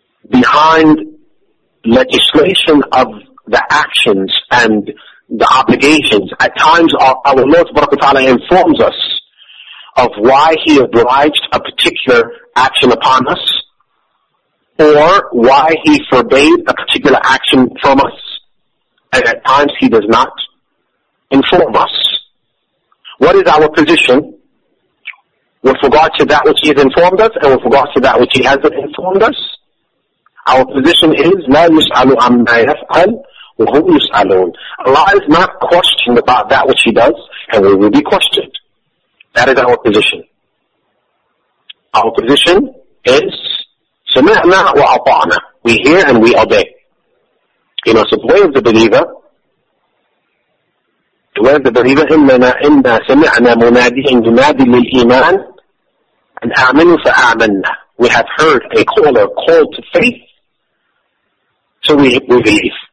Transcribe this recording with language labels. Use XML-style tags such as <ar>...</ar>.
<en>behind legislation of the actions and the obligations, at times our Lord subhanahu wa ta'ala informs us of why he obliged a particular action upon us, or why he forbade a particular action from us, and at times he does not inform us. What is our position with regard to that which he has informed us, and with regard to that which he hasn't informed us? Our position is,</en> <ar>لا يسألوا عما يفعل وهم يسألون.</ar> <en>Allah is not questioned about that which he does, and we will be questioned. That is our position. Our position is,</en> <ar>سَمِعْنَا وَأَطَعْنَا,</ar> <en>we hear and we obey. You know, so the way of the believer,</en> <ar>إِنَّا سَمِعْنَا مُنَادِيًا يُنَادِي لِلْإِيمَانِ أَنْ آمِنُوا فَآمَنَّا,</ar> <en>we have heard a caller call to faith, so we believe.</en>